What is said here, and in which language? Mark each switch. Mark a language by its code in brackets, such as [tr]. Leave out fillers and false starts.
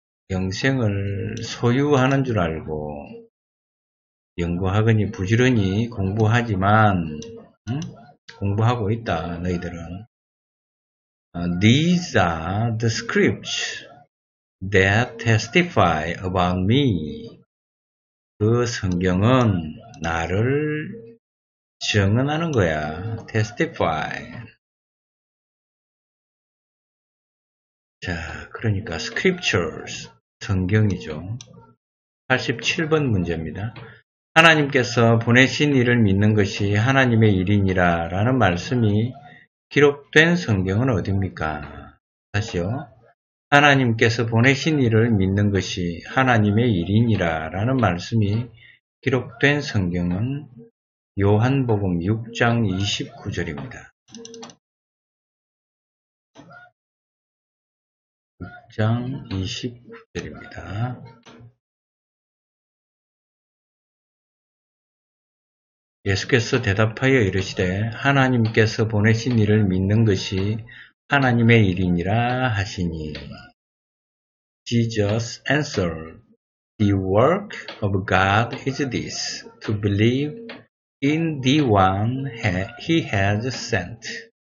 [ko] 영생을 소유하는 줄 알고. 연구하거니 부지런히 공부하지만, 공부하고 있다, 너희들은. [en] These are the scripts that testify about me. [ko] 그 성경은 나를 증언하는 거야. [en] Testify. [ko] 자, 그러니까 scriptures, 성경이죠. 87번 문제입니다. 하나님께서 보내신 일을 믿는 것이 하나님의 일이니라 라는 말씀이 기록된 성경은 어디입니까? 다시요. 하나님께서 보내신 일을 믿는 것이 하나님의 일이니라 라는 말씀이 기록된 성경은 요한복음 6장 29절입니다. 6장 29절입니다. 예수께서 대답하여 이르시되 하나님께서 보내신 이를 믿는 것이 하나님의 일이니라 하시니. [en] Jesus answered, The work of God is this, to believe in the one he has sent.